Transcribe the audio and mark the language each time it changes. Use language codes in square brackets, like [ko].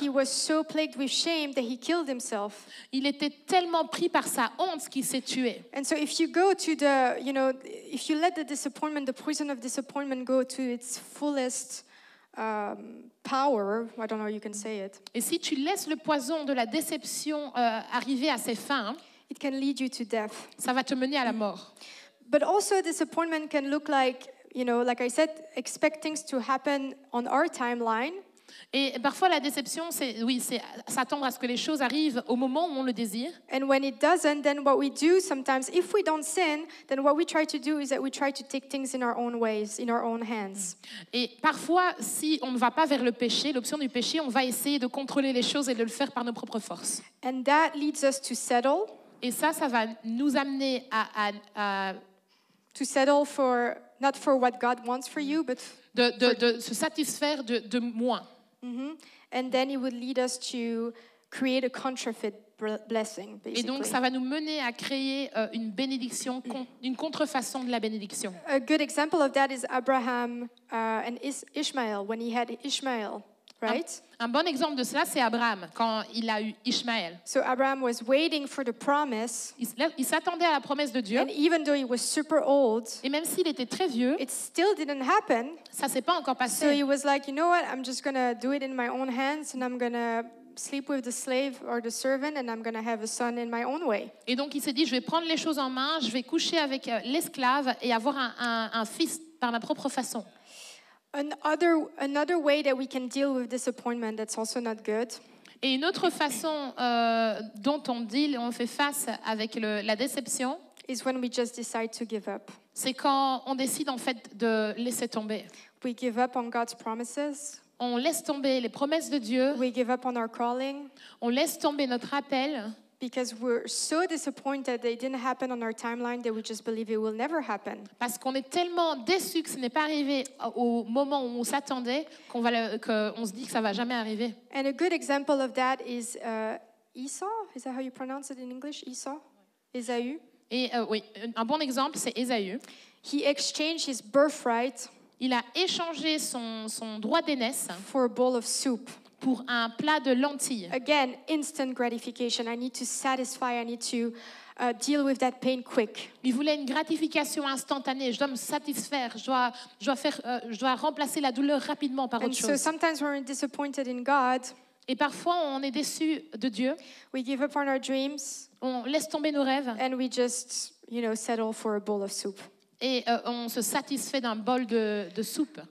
[en] he was so plagued with shame that he killed himself. [fr] Il était tellement pris par sa honte qu'il s'est tué. [en] And so if you go to the, you know, if you let the disappointment, the prison of disappointment go to its fullest power, I don't know how you can say it. [fr] Et si tu laisses le poison de la déception arriver à ses fins, [en] it can lead you to death. [fr] Ça va te mener à la mort. [en] But also disappointment can look like, you know, like I said, expect things to happen on our timeline. [fr] Et parfois la déception, c'est oui, c'est s'attendre à ce que les choses arrivent au moment où on le désire. [en] And when it doesn't, then what we do sometimes, if we don't sin, then what we try to do is that we try to take things in our own ways, in our own hands. [fr] Et parfois, si on ne va pas vers le péché, l'option du péché, on va essayer de contrôler les choses et de le faire par nos propres forces. [en] And that leads us to settle. [fr] Et ça, ça va nous amener à [en] to settle for not for what God wants for you, but [fr] de se satisfaire de moins. Mm-hmm. [en] And then it would lead us to create a counterfeit blessing, basically. [fr] Et donc ça va nous mener à créer une bénédiction, une contrefaçon de la bénédiction. [en] A good example of that is Abraham and Ishmael when he had Ishmael, right? [fr] Un bon exemple de cela c'est Abraham quand il a eu Ishmael. [en] So Abraham was waiting for the promise. [fr] Il s'attendait à la promesse de Dieu. [en] And even though he was super old, [fr] et même s'il était très vieux, [en] it still didn't happen. [fr] Ça s'est pas encore passé. [en] So he was like, you know what? I'm just gonna do it in my own hands and I'm gonna sleep with the slave or the servant and I'm gonna have a son in my own way. [fr] Et donc il s'est dit, je vais prendre les choses en main, je vais coucher avec l'esclave et avoir un fils par ma propre façon. [en] Another way that we can deal with disappointment that's also not good. [fr] Et une autre façon dont on deal, on fait face avec la déception, [en] is when we just decide to give up. [fr] C'est quand on décide en fait de laisser tomber. [en] We give up on God's promises. [fr] On laisse tomber les promesses de Dieu. [en] We give up on our calling. [fr] On laisse tomber notre appel. [en] Because we're so disappointed that it didn't happen on our timeline that we just believe it will never happen. [fr] Parce qu'on est tellement déçu que ce n'est pas arrivé au moment où on s'attendait qu'on se dit que ça va jamais arriver. [en] And a good example of that is Esau. Is that how you pronounce it in English? Esau? Esau? [fr] Et oui, un bon exemple c'est Esau. [en] He exchanged his birthright. [fr] Il a échangé son droit d'aînesse [en] for a bowl of soup. [fr] Pour un plat de lentilles. [en] Again, instant gratification. I need to satisfy. I need to deal with that pain quick. [fr] Il voulait une gratification instantanée. Je dois me satisfaire. Je dois remplacer la douleur rapidement par [en] and [fr] autre chose. [en] So sometimes we're disappointed in God. [fr] Et parfois on est déçu de Dieu. [en] We give up on our dreams. [fr] On laisse tomber nos rêves. [en] And we just, you know, settle for a bowl of soup. [fr] Et on se satisfait d'un bol de soupe.